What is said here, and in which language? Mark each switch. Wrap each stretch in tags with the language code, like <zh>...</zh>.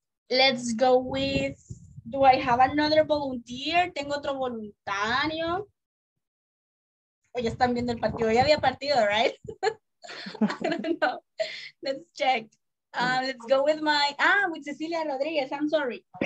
<en>Let's go with, do I have another volunteer?</en> <es>¿Tengo otro voluntario? O ya están viendo el partido, ya había partido, right?</es> <en>I don't know, let's check. Let's go with my, with Cecilia Rodriguez, I'm sorry.</en>